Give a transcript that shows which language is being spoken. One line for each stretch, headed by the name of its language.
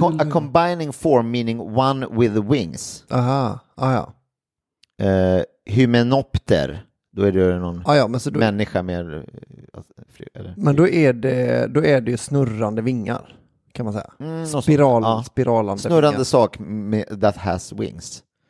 English: A combining form meaning one with wings.
Swedish: Aha, ah, ja. Hymenopter, då är det någon människa med... Eller? Men då är det ju snurrande vingar. Kan man säga. Spiralande. Snurrande sak
English: that has wings.